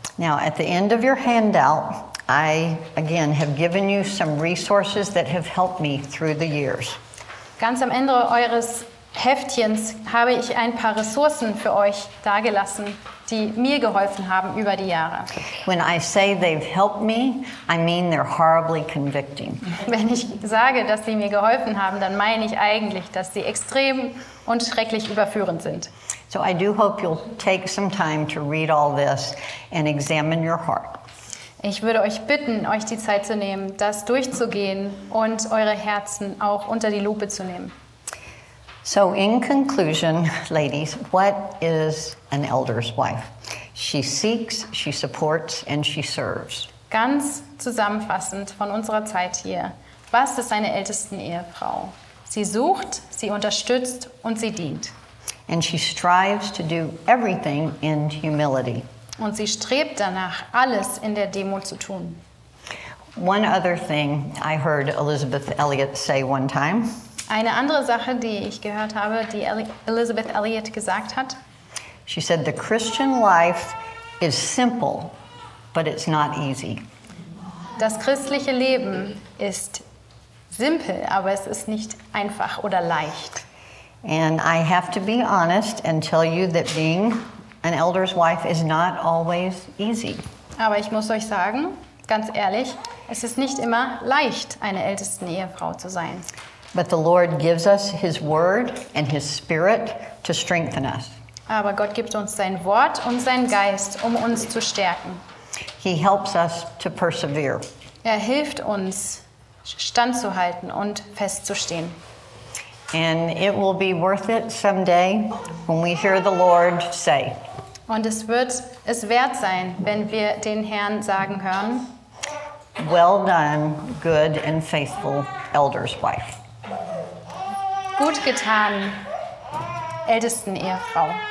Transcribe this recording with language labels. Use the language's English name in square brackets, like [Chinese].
[English] Now, at the end of your handout, I again have given you some resources that have helped me through the years. [German] Ganz am Ende eures Heftchens habe ich ein paar Ressourcen für euch dagelassen, die mir geholfen haben über die Jahre. [English] When I say they've helped me, I mean they're horribly convicting. [German] Wenn ich sage, dass sie mir geholfen haben, dann meine ich eigentlich, dass sie extrem und schrecklich überführend sind. [English] So I do hope you'll take some time to read all this and examine your heart. [German] Ich würde euch bitten, euch die Zeit zu nehmen, das durchzugehen und eure Herzen auch unter die Lupe zu nehmen. [English] So in conclusion, ladies, what is an elder's wife? She seeks, she supports, and she serves. [German] Ganz zusammenfassend von unserer Zeit hier, was ist eine Ältesten-Ehefrau? Sie sucht, sie unterstützt und sie dient. [English] And she strives to do everything in humility. [German] Und sie strebt danach, alles in der Demut zu tun. [English] One other thing I heard Elizabeth Elliot say one time. [German] Eine andere Sache, die ich gehört habe, die Elizabeth Elliot gesagt hat. [English] She said, the Christian life is simple, but it's not easy. [German] Das christliche Leben ist simpel, aber es ist nicht einfach oder leicht. [English] And I have to be honest and tell you that being an elder's wife is not always easy. [German] Aber ich muss euch sagen, ganz ehrlich, es ist nicht immer leicht, eine ältesten Ehefrau zu sein. [English] But the Lord gives us his word and his spirit to strengthen us. [German] Aber Gott gibt uns sein Wort und seinen Geist, um uns zu stärken. [English] He helps us to persevere. [German] Er hilft uns, standzuhalten und festzustehen. [English] And it will be worth it someday when we hear the Lord say. [German] Und es wird es wert sein, wenn wir den Herrn sagen hören. [English] Well done, good and faithful elder's wife. [German] Gut getan, ältesten Ehefrau.